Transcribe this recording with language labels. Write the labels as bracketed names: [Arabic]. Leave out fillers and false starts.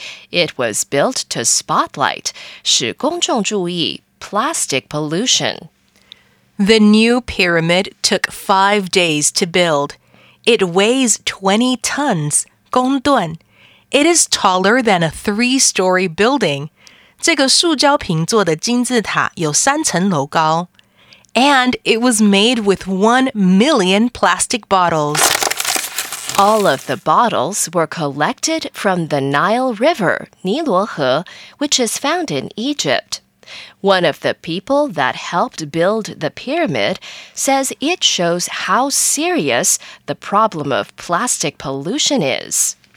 [English] It was built to spotlight 使公众注意 plastic pollution. The new pyramid took 5 days to build. It weighs 20 tons. 公吨. It is taller than a three-story building. [Chinese] 这个塑胶瓶做的金字塔有三层楼高. [English] And it was made with 1 million plastic bottles. All of the bottles were collected from the Nile River, 尼罗河, which is found in Egypt. One of the people that helped build the pyramid says it shows how serious the problem of plastic pollution is.